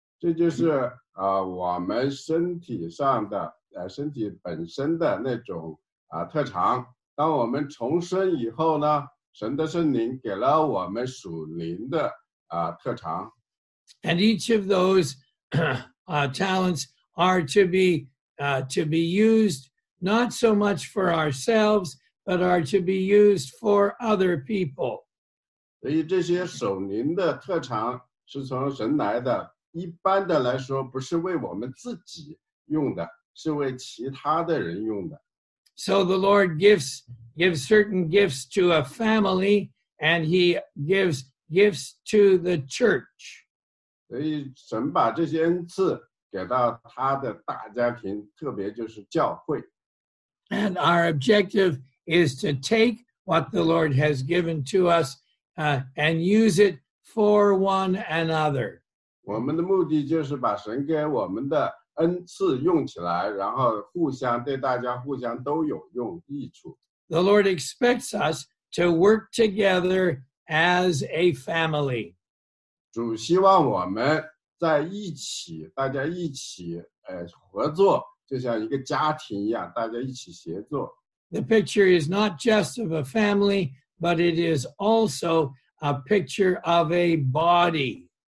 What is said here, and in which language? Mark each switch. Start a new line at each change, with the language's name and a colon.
Chinese: 这就是我们身体上的身体本身的那种特长。当我们重生以后呢，神的圣灵给了我们属灵的特长。
English: And each of those talents are to be used not so much for ourselves, but are to be used for other people.
Chinese: 所以这些属灵的特长是从神来的，一般的来说不是为我们自己用的，是为其他的人用的。
English: So the Lord gives certain gifts to a family, and he gives gifts to the church.
Chinese: 所以神把这些恩赐给到他的大家庭，特别就是教会。
English: And our objective is to take what the Lord has given to us, and use it for one another.
Chinese: 我们的目的就是把神给我们的恩赐用起来，然后互相对大家互相都有用益处。
English: The Lord expects us to work together as a family.
Chinese: 主希望我们在一起，大家一起合作，就像一个家庭一样，大家一起协作。
English: The picture is not just of a family, but it is also a picture of a body.